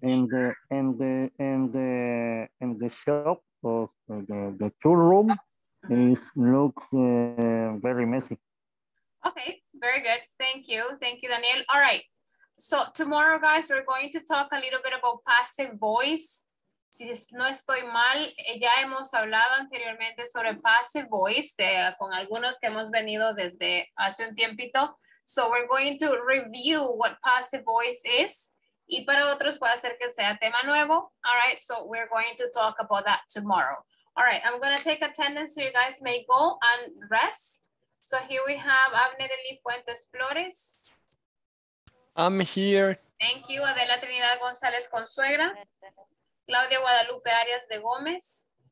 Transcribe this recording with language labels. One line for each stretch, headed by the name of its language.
English: In the shop or the tool room, it looks very messy. Okay, very good. Thank you, Daniel. All right. So tomorrow, guys, we're going to talk a little bit about passive voice.
Spanish: Si no estoy mal, ya hemos hablado anteriormente sobre passive voice con algunos que hemos venido desde hace un tiempito.
English: So we're going to review what passive voice is.
Spanish: Y para otros puede ser que sea tema nuevo.
English: All right, so we're going to talk about that tomorrow. All right, I'm going to take attendance so you guys may go and rest. So here we have Abnerely Fuentes Flores. I'm here. Thank you, Adela Trinidad González Consuegra. Claudia Guadalupe Arias de Gómez.